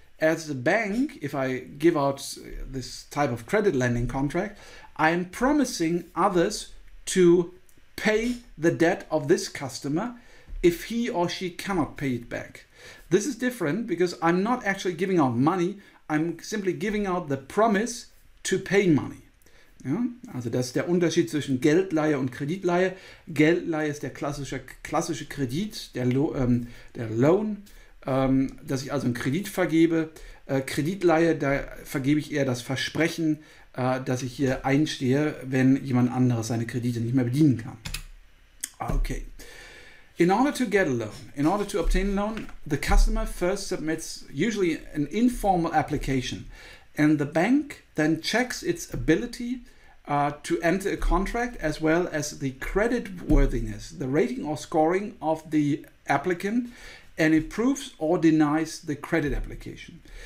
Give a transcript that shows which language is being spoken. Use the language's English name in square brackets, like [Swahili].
[English] as a bank, if I give out this type of credit lending contract, I am promising others to pay the debt of this customer if he or she cannot pay it back. This is different because I'm not actually giving out money. I'm simply giving out the promise to pay money. [German] Ja? Also das ist der Unterschied zwischen Geldleihe und Kreditleihe. Geldleihe ist der klassische Kredit, der Loan, dass ich also einen Kredit vergebe. Kreditleihe, da vergebe ich eher das Versprechen, dass ich hier einstehe, wenn jemand anderes seine Kredite nicht mehr bedienen kann. [English] Okay. In order to get a loan, in order to obtain a loan, the customer first submits usually an informal application, and the bank then checks its ability to enter a contract as well as the credit worthiness, the rating or scoring of the applicant, and approves or denies the credit application.